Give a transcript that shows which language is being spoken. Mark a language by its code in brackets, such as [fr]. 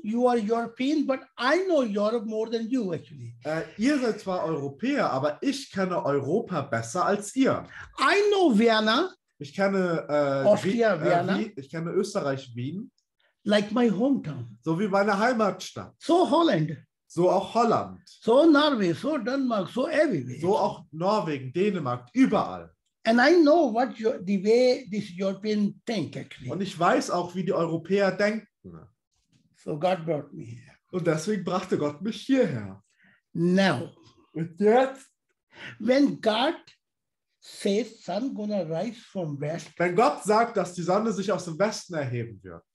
[en] You are European, but I know Europe more than you actually. [de] Ihr seid zwar Europäer, aber ich kenne Europa besser als ihr. [en] I know Vienna. [de] Ich kenne [en] Austria, Vienna. [de] Ich kenne Österreich, Wien. [en] Like my hometown. [de] So wie meine Heimatstadt. [en] So Holland. [de] So auch Holland. [en] So Norway, so Denmark, so everywhere. [de] So auch Norwegen, Dänemark, überall. [en] And I know what the way these European think actually. [de] Und ich weiß auch, wie die Europäer denken. [en] So God brought me here. [de] Und deswegen brachte Gott mich hierher. [en] Now. [de] Und jetzt. [en] When God says sun gonna rise from west. [de] Wenn Gott sagt, dass die Sonne sich aus dem Westen erheben wird.